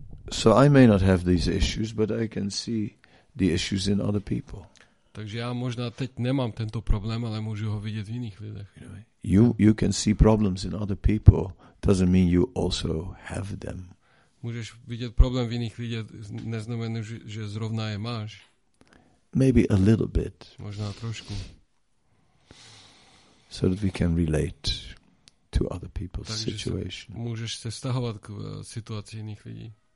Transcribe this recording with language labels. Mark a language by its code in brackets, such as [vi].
[en] So I may not have these issues, but I can see the issues in other people. [cs] Takže já možná teď nemám tento problém, ale můžu ho vidět v jiných lidech. [en] You can see problems in other people doesn't mean you also have them. [cs] Můžeš vidět problém v jiných lidech, neznamená, že zrovna je máš. [en] Maybe a little bit. [cs] Možná trošku. [en] So that we can relate. to other people's [cs] takže [en] situation. [cs] Se, můžeš se stahovat k situaci jiných lidí.